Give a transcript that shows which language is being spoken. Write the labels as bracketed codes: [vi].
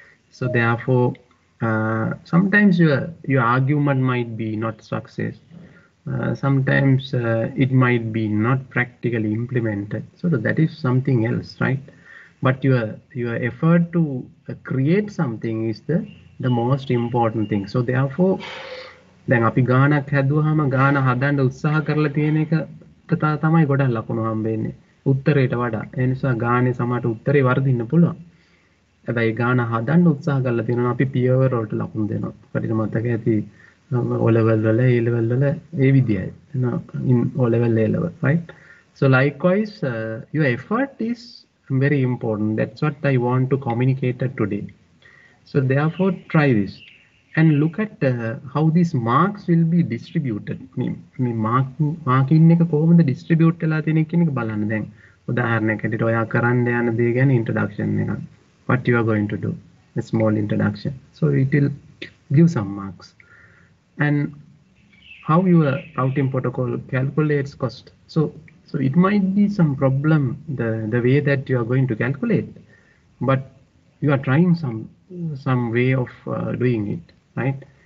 [en] So therefore, sometimes your argument might be not success. Sometimes it might be not practically implemented. So that is something else, right? But your effort to create something is the most important thing. So therefore, [si] දැන් අපි ගානක් හැදුවාම ගාන හදන්න උත්සාහ කරලා තියෙන එක තමයි ගොඩක් ලකුණු හම්බෙන්නේ උත්තරයට වඩා. ඒ නිසා ගානේ සමහරට උත්තරේ වර්ධින්න පුළුවන්. හැබැයි ගාන හදන්න උත්සාහ කරලා තියෙනවා අපි පියවර වලට ලකුණු දෙනවා. හරියට මතක ඇති ඔලෙවල් වල ඒ ලෙවල් වල ඒ විදියයි. O level level right? [en] So likewise your effort is very important. That's what I want to communicate today. So therefore try this. And look at how these marks will be distributed. [si] මේ mark marking එක කොහොමද distribute වෙලා තියෙන එක කියන එක බලන්න දැන්. උදාහරණයක් ඇරෙට ඔයා කරන්න යන දේ ගැන introduction එකක්. [en] What you are going to do? A small introduction. So it will give some marks. And how your routing protocol calculates cost. So it might be some problem the way that you are going to calculate, but you are trying some way of doing it, right?